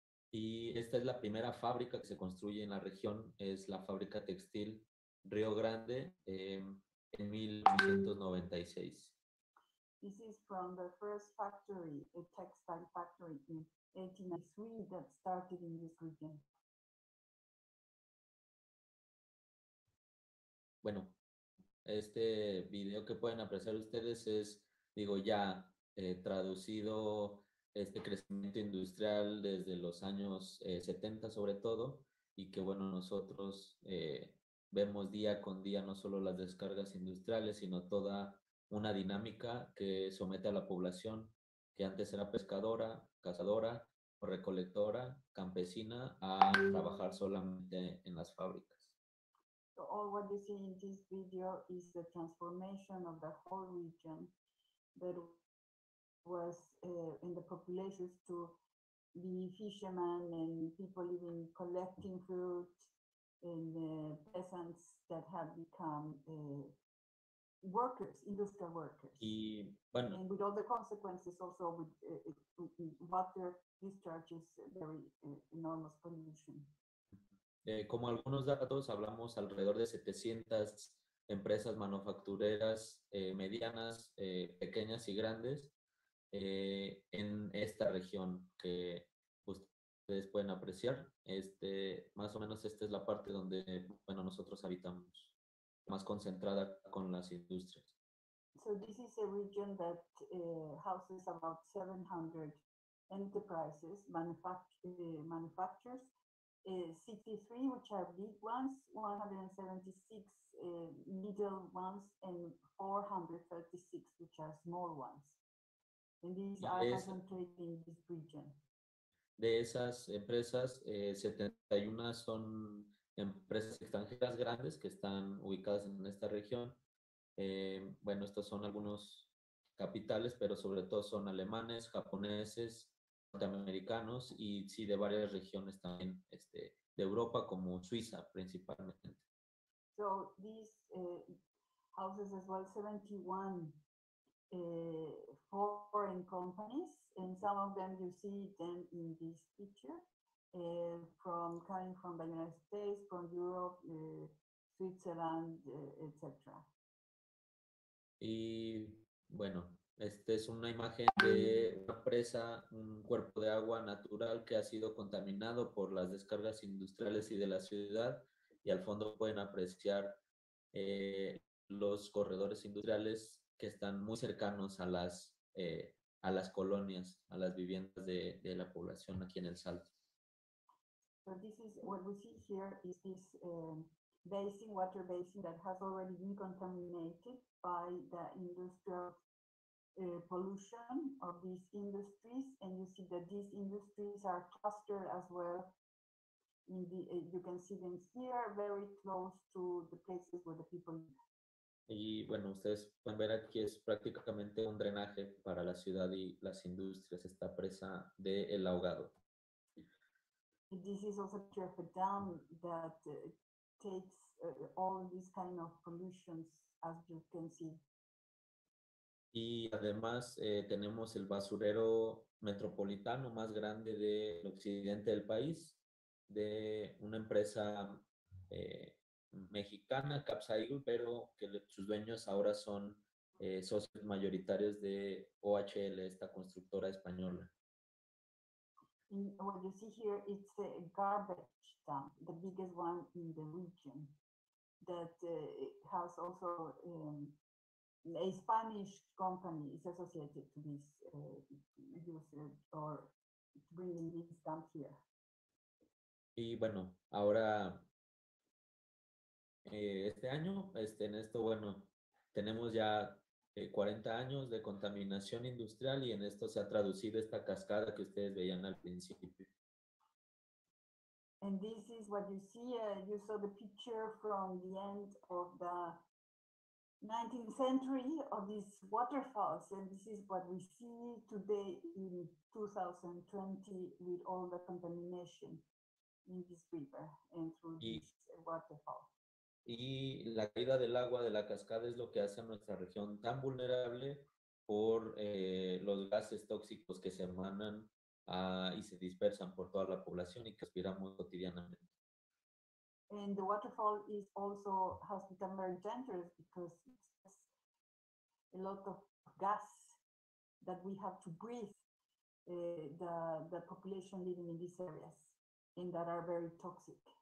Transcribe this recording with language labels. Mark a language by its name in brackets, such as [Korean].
[Spanish] Y esta es la primera fábrica que se construye en la región, es la fábrica textil Río Grande en 1996. [English] This is from the first factory, a textile factory in 1893 that started in this region. [Spanish] Bueno, este video que pueden apreciar ustedes es, digo, ya traducido. Este crecimiento industrial desde los años 70 sobre todo, y que bueno, nosotros vemos día con día no solo las descargas industriales, sino toda una dinámica que somete a la población que antes era pescadora, cazadora, o recolectora, campesina, a trabajar solamente en las fábricas. [English] So all what you see in this video is the transformation of the whole region that was in the populations to be fishermen and people even collecting fruit and peasants that have become workers, industrial workers. [Spanish] Y, bueno, [English] and with all the consequences also with water discharges, very enormous pollution. [Spanish] Como algunos datos, hablamos alrededor de 700 empresas manufactureras medianas, pequeñas y grandes. En esta región que ustedes pueden apreciar, más o menos esta es la parte donde, bueno, nosotros habitamos, más concentrada con las industrias. [English] So this is a region that houses about 700 enterprises, manufacturers, city three, which are big ones, 176 middle ones, and 436, which are small ones. And these are concentrated in this region. [Spanish] De esas empresas, 71 son empresas extranjeras grandes que están ubicadas en esta región. Bueno, estos son algunos capitales, pero sobre todo son alemanes, japoneses, norteamericanos y sí de varias regiones también, este, de Europa como Suiza principalmente. [English] So these houses as well, 71 foreign companies, and some of them you see them in this picture, from coming from the United States, from Europe, Switzerland, etc. [Spanish] Y bueno, esta es una imagen de una presa, un cuerpo de agua natural que ha sido contaminado por las descargas industriales y de la ciudad. Y al fondo pueden apreciar los corredores industriales que están muy cercanos a las colonias, a las viviendas de la población aquí en El Salto. [English] So this is what we see here is this basin, water basin that has already been contaminated by the industrial pollution of these industries, and you see that these industries are clustered as well. In the, you can see them here, very close to the places where the people live. [Spanish] Y bueno, ustedes pueden ver aquí es prácticamente un drenaje para la ciudad y las industrias, esta presa de El Ahogado. [English] This is also a dam that takes all these kind of pollutions, as you can see. [Spanish] Y además tenemos el basurero metropolitano más grande del occidente del país, de una empresa mexicana, Capsaicle, pero que sus dueños ahora son socios mayoritarios de OHL, esta constructora española. [English] What you see here, it's a garbage dump, the biggest one in the region, that has also a Spanish company is associated to this user or bringing this dump here. [Spanish] Y bueno, ahora este año, este, en esto, bueno, tenemos ya 40 años de contaminación industrial y en esto se ha traducido esta cascada que ustedes veían al principio. [English] And this is what you see. You saw the picture from the end of the 19th century of these waterfalls. And this is what we see today in 2020 with all the contamination in this river and through this waterfall. [Spanish] Y la caída del agua de la cascada es lo que hace a nuestra región tan vulnerable por los gases tóxicos que se emanan y se dispersan por toda la población y que respiramos cotidianamente. [English] And the waterfall is also has become very dangerous because it's a lot of gas that we have to breathe, the population living in these areas and that are very toxic.